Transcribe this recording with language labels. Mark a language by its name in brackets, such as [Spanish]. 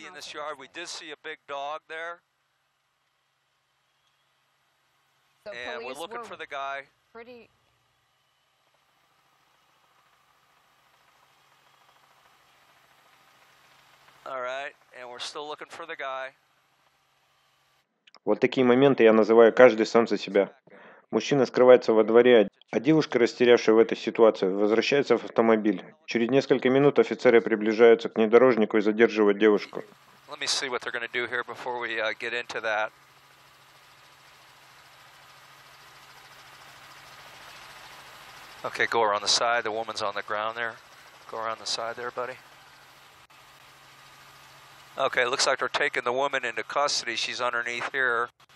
[English] be in this yard. We did see a big dog there. The and we're looking were for the guy. Pretty. All right, and we're still looking for the guy. [Russian] Вот такие моменты я называю каждый сам за себя. Мужчина скрывается во дворе, а девушка, растерявшая в этой ситуации, возвращается в автомобиль. Через несколько минут офицеры приближаются к внедорожнику и задерживают девушку. [English] Let me see what they're going to do here before we get into that. Okay, go around the side. The woman's on the ground there. Go around the side there, buddy. Okay, looks like they're taking the woman into custody. She's underneath here.